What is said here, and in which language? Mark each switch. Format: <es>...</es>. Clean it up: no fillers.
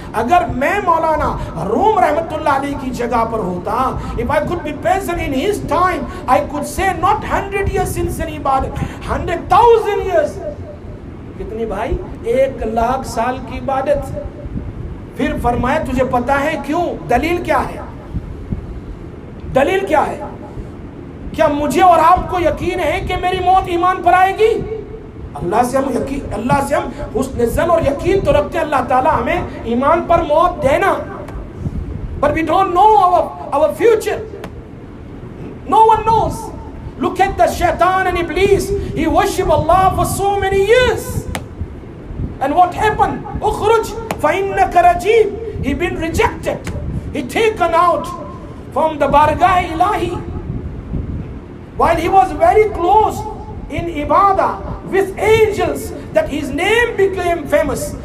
<ur>اگر میں مولانا روم رحمت اللہ علیہ کی جگہ پر ہوتا,</ur> <en>if I could be present in his time, I could say not 100 years sincere عبادت, 100,000 years.</en> <ur>کتنی بھائی؟ 100,000 سال کی عبادت. پھر فرمایا تجھے پتا ہے کیوں, دلیل کیا ہے, دلیل کیا ہے؟ کیا مجھے اور آپ کو یقین ہے کہ میری موت ایمان پر آئے گی؟ اللہ سے ہم یقین, اللہ سے ہم حسن ظن اور یقین تو رکھتے ہیں, اللہ تعالیٰ ہمیں ایمان پر موت دینا,</ur> <en>but we don't know our future, no one knows. Look at the shaitan and iblis. He worshipped Allah for so many years. And what happened?</en> <ar>Ukhruj fa'innaka rajim.</ar> <en>He been rejected. He taken out from the bargah ilahi. While he was very close in ibadah with angels, that his name became famous.</en>